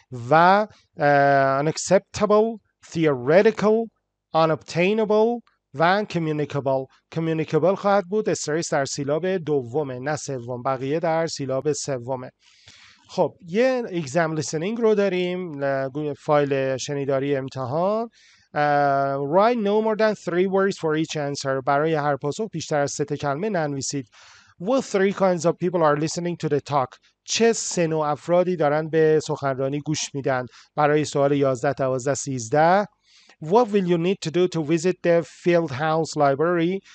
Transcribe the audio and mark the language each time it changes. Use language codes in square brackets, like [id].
[en] و unacceptable, theoretical, unobtainable و communicable. [fa] Communicable خواهد بود استرس در سیلاب دومه نه سوم، بقیه در سیلاب سومه. خب یه exam listening رو داریم، فایل شنیداری امتحان. [en] Write no more than three words for each answer. [fa] برای هر پاسخ بیشتر از سه کلمه ننویسید. [en] What three kinds of people are listening to the talk? [fa] چه سه نوع افرادی دارن به سخنرانی گوش میدن؟ برای سوال 11 تا 12 13. [en] What will you need to do to visit the field house library?